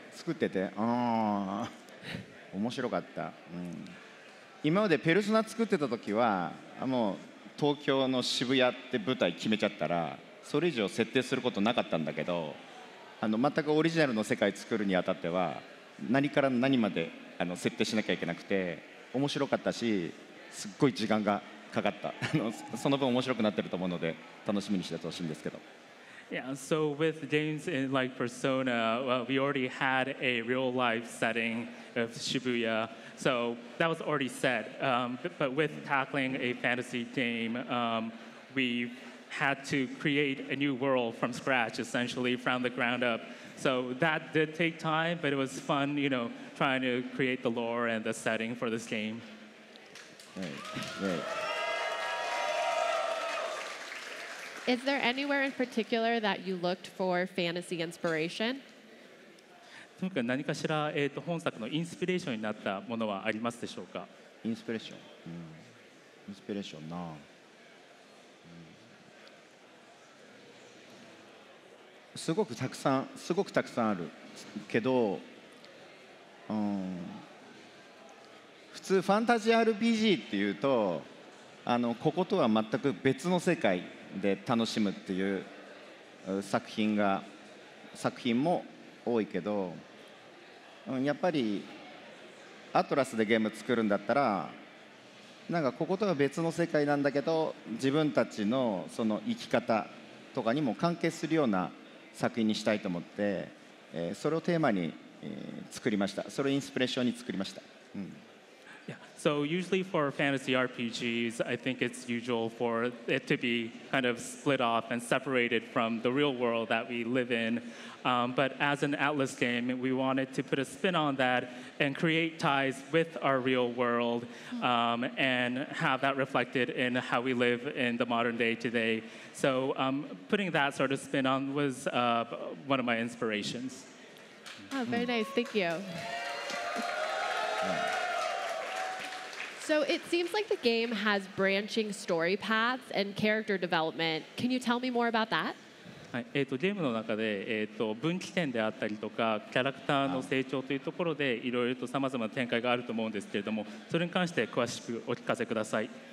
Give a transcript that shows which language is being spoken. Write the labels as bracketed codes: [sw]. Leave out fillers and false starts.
[ja] 作ってて、ああ面白かった、うん、今までペルソナ作ってた時はもう東京の渋谷って舞台決めちゃったらそれ以上設定することなかったんだけど、全くオリジナルの世界作るにあたっては何から何まで設定しなきゃいけなくて面白かったし、すっごい時間がかかった。その分面白くなってると思うので楽しみにしてほしいんですけど。 [en] Yeah, so with games in like Persona, well, we already had a real life setting of Shibuya, so that was already set. But with tackling a fantasy game, we had to create a new world from scratch, essentially from the ground up. So that did take time, but it was fun, you know, trying to create the lore and the setting for this game. Right, right. Is there anywhere in particular that you looked for fantasy inspiration? [ja] とにかく何かしら、本作のインスピレーションになったものはありますでしょうか? インスピレーション? インスピレーションな。すごくたくさんあるけど、うん、普通ファンタジー RPG っていうとこことは全く別の世界で楽しむっていう作品も多いけど、うん、やっぱりアトラスでゲーム作るんだったらなんかこことは別の世界なんだけど自分たちのその生き方とかにも関係するような作品にしたいと思って、それをテーマに、作りました。それをインスピレーションに作りました。うん、 yeah. [en] So usually for fantasy RPGs, I think it's usual for it to be kind of split off and separated from the real world that we live in. But as an Atlas game, we wanted to put a spin on that and create ties with our real world, and have that reflected in how we live in the modern day today. So putting that sort of spin on was one of my inspirations. Oh, very nice. Thank you. So it seems like the game has branching story paths and character development. Can you tell me more about that? [ja] はい、ゲームの中で、分岐点であったりとかキャラクターの成長というところでいろいろとさまざまな展開があると思うんですけれども、それに関して詳しくお聞かせください。